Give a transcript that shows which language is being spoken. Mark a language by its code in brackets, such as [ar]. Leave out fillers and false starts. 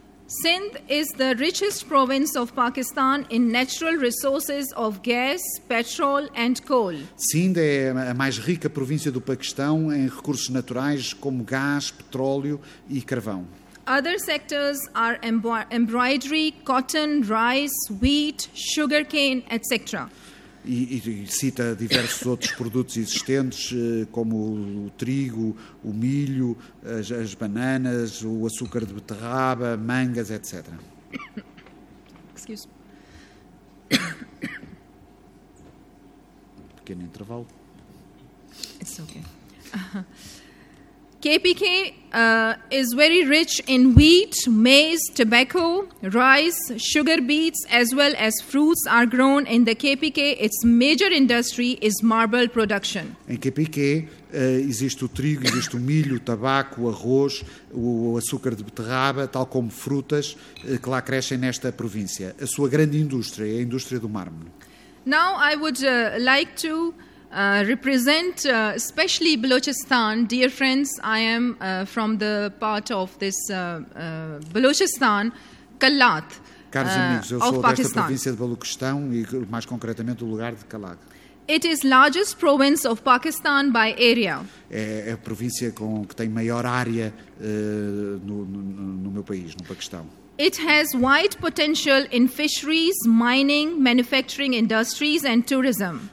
[en] Sindh is the richest province of Pakistan in natural resources of gas, petrol and coal. [pt] Sindh é a mais rica província do Paquistão em recursos naturais como gás, petróleo e carvão. [en] Other sectors are embroidery, cotton, rice, wheat, sugarcane, etc. [pt] E cita diversos outros produtos existentes, como o trigo, o milho, as bananas, o açúcar de beterraba, mangas, etc. [en] Excuse. [pt] Pequeno intervalo. [en] It's okay. KPK is very rich in wheat, maize, tobacco, rice, sugar beets, as well as fruits are grown in the KPK. Its major industry is marble production. [pt] Em KPK existe o trigo, existe o milho, o tabaco, o arroz, o açúcar de beterraba, tal como frutas que lá crescem nesta província. A sua grande indústria é a indústria do mármore. [en] Now I would like to represent especially Balochistan, dear friends. I am from the part of this Balochistan, Kalat. [pt] Caros amigos, eu sou desta província de Balochistão e mais concretamente do lugar de Kalat. [en] It is largest province of Pakistan by area. [pt] É a província que tem maior área no meu país, no Paquistão. [en] It has wide potential in fisheries, mining, manufacturing industries and tourism.